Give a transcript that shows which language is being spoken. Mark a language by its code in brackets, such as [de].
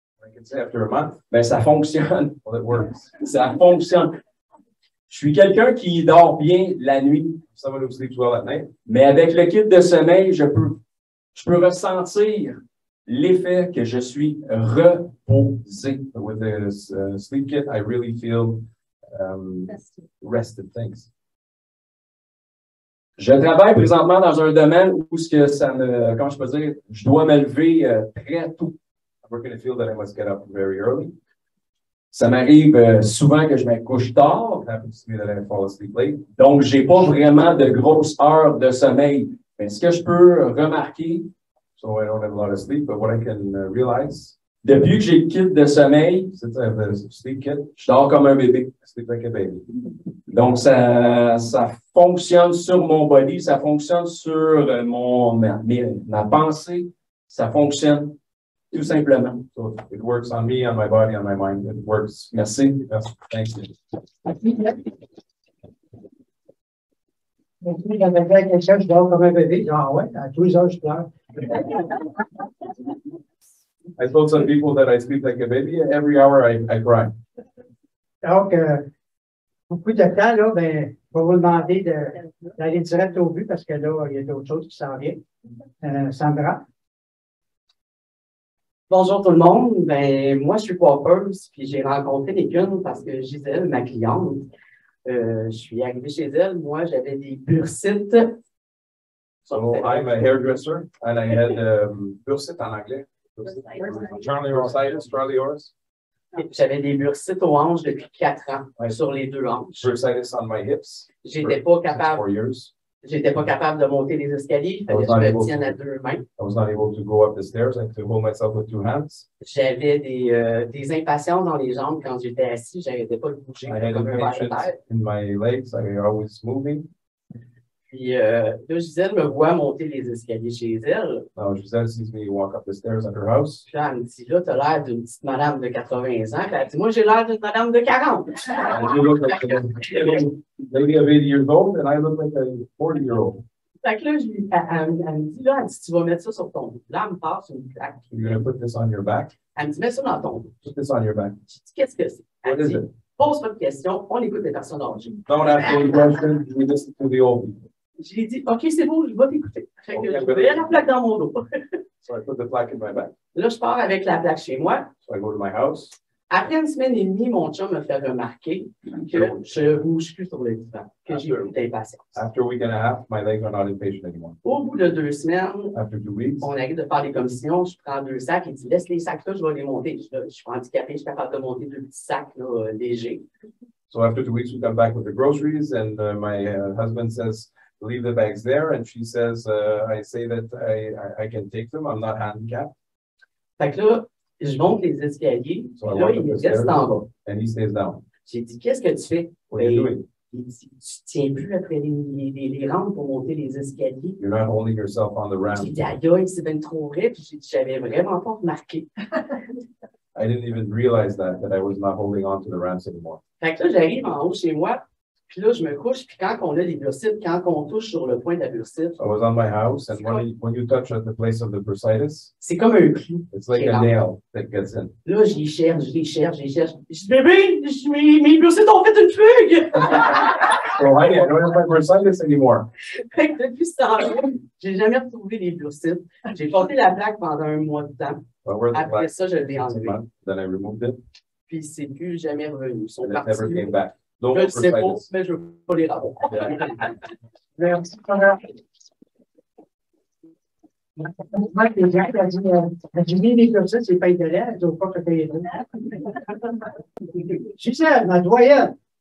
[en] like say after a month, [fr] ben ça fonctionne. [en] Well, it works. [fr] Ça fonctionne. Je suis quelqu'un qui dort bien la nuit. [en] Someone who sleeps well at night. [fr] Mais avec le kit de sommeil, je peux ressentir l'effet que je suis reposé. [en] But with the sleep kit, I really feel rested. Thanks. [fr] Je travaille présentement dans un domaine où ce que ça me, comment je peux dire, je dois me lever très tôt. [en] I work in a field that I must get up very early. [fr] Ça m'arrive souvent que je me couche tard. [en] It happens to me that I fall asleep late. [fr] Donc, j'ai pas vraiment de grosses heures de sommeil. Mais ce que je peux remarquer. [en] So I don't have a lot of sleep, but what I can realize. [fr] Depuis que j'ai le kit de sommeil. [en] Since I have the sleep kit. [fr] Je dors comme un bébé. [en] I sleep like a baby. [fr] Donc, ça fonctionne sur mon body. Ça fonctionne sur ma pensée. Ça fonctionne. Tout simplement. [en] So it works on me, on my body, on my mind. It works. [fr] Merci. [en] Yes, thank you. [fr] Merci. Quand je fais quelque chose, je dors comme un bébé. Ah ouais, à 12 heures, je pleure. [en] I told some people that I sleep like a baby. Every hour, I cry. [fr] Donc, beaucoup de temps, là, ben, je vais vous demander d'aller direct au but parce que là, il y a d'autres choses qui s'en viennent. Sandra. Bonjour tout le monde. Ben moi je suis Poppers puis j'ai rencontré Nikin parce que Gisèle, ma cliente, je suis arrivée chez elle. Moi j'avais des bursites. [en] So I'm a hairdresser and I had bursites [fr] en anglais. [en] Bursitis. [fr] J'avais des bursites aux hanches depuis 4 ans sur les deux hanches. [en] Bursitis on my hips. [fr] J'étais pas capable. J'étais pas capable de monter les escaliers, fallait que je me tienne à deux mains. [en] I was not able to go up the stairs, I had to hold myself with two hands. [fr] J'avais des impatients dans les jambes quand j'étais assis, j'arrêtais pas de bouger. [en] I had impatience in my legs, I was always moving. [fr] Puis là, Gisèle me voit monter les escaliers chez elle. [en] Now Gisèle sees me walk up the stairs at her house. [fr] Puis là, elle me dit, là, t'as l'air d'une petite madame de 80 ans. Elle dit, moi, j'ai l'air d'une madame de 40. [en] And you look like a lady of 80 years old, and I look like a 40-year-old. [fr] Fait que là, elle me dit, là, elle dit, tu vas mettre ça sur ton dos. Là, elle me passe une claque. [en] You're going to put this on your back? [fr] Elle me dit, mets ça dans ton dos. [en] Put this on your back. [fr] Je dis, qu'est-ce que c'est? Elle me dit, pose pas de questions, on écoute les personnes âgées. [en] Don't ask any questions, we listen to the old people. [fr] Je lui ai dit, OK, c'est bon, je vais t'écouter. Fait que je mets la plaque dans mon dos. [en] So I put the plaque in my back. [fr] Là, je pars avec la plaque chez moi. [en] So I go to my house. [fr] Après une semaine et demie, mon chum me fait remarquer que je ne bouge plus sur le divan, que j'ai plus d'impatience. [en] After a week and a half, my legs are not impatient anymore. [fr] Au bout de 2 semaines, [en] after 2 weeks, [fr] on arrête de faire les commissions, je prends 2 sacs et je dis, laisse les sacs là, je vais les monter. Je suis handicapé, je suis capable de monter 2 petits sacs là, légers. [en] So after 2 weeks, we come back with the groceries and my husband says, leave the bags there, and she says, I say that I can take them, I'm not handicapped. [fr] Fait que là, je monte les escaliers, [en] so [fr] là, il reste en bas. [en] And he stays down. [fr] J'ai dit, qu'est-ce que tu fais? [en] What are you doing? [fr] Il dit, tu tiens plus après les rampes pour monter les escaliers. [en] You're not holding yourself on the ramp. [fr] J'ai dit, aïe, il s'est bien trop vrai, puis j'ai dit, j'avais vraiment pas remarqué. [en] I didn't even realize that I was not holding on to the ramps anymore. [fr] Fait que là, j'arrive en haut chez moi. Puis là, je me couche, puis quand on a les bursites, quand on touche sur le point de la bursite. [en] I was on my house, and when you touch at the place of the bursitis. [fr] C'est comme un clou. [en] It's like a nail that gets in. [fr] Là, j'y cherche. Je dis, bébé, mes bursites ont fait une fugue! [en] Well, Heidi, I don't have my bursitis anymore. [fr] Depuis ça, j'ai jamais retrouvé les bursites. J'ai porté la plaque pendant un mois de temps. Après ça, je l'ai enlevé. [en] Then I removed it. [fr] Puis c'est plus jamais revenu. Ils sont partis. [en] Never came back. [fr] Donc, je le sais pas, mais je veux pas les rapports. Merci.